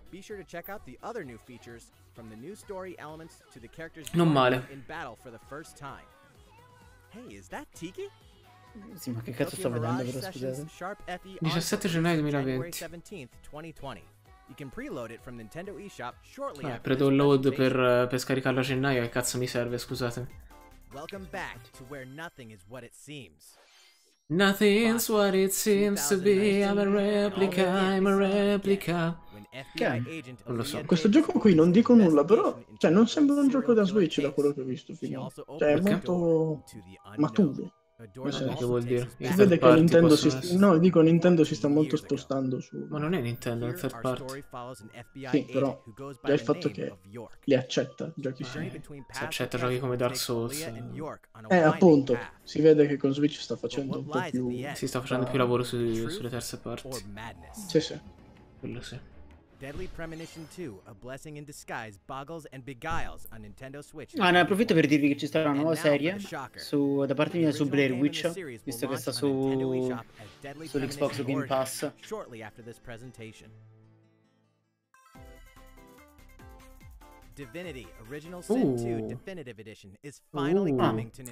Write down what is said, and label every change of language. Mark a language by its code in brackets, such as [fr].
[en] Be sure to check out the other new features from the new story elements to the characters in battle for the first time. Hey, is that Tiki? [it] Sì, ma che cazzo sto vedendo, però scusate. 17 gennaio 2020. [en] You can preload it from Nintendo eShop shortly. [it] Ah, preload per scaricarlo a gennaio, che cazzo mi serve, scusate. [en] Welcome back to where nothing is what it seems. Nothing's what it seems to be. I'm a replica, I'm a replica. [it] Che è? Non lo so. Questo gioco qui non dico nulla, però cioè non sembra un gioco da Switch da quello che ho visto fino. Cioè è molto maturo. Che vuol dire? Si vede che Nintendo si sta... No, dico Nintendo si sta molto spostando su. Ma non è Nintendo, è il third party. Sì, però già il fatto che li accetta giochi simili. Se accetta giochi come Dark Souls. Appunto, si vede che con Switch sta facendo un po' più. Si sta facendo più lavoro sulle terze parti. Sì, sì. Quello sì. [en] Deadly Premonition 2, a blessing in disguise, boggles and beguiles on Nintendo Switch. [it] Ah, ne approfitto per dirvi che ci sarà una nuova serie su, da parte mia su Blair Witch, visto che sta su sull'Xbox Game Pass. [en] Shortly after this presentation. Divinity Original Sin 2 Definitive Edition is finally coming to Nintendo.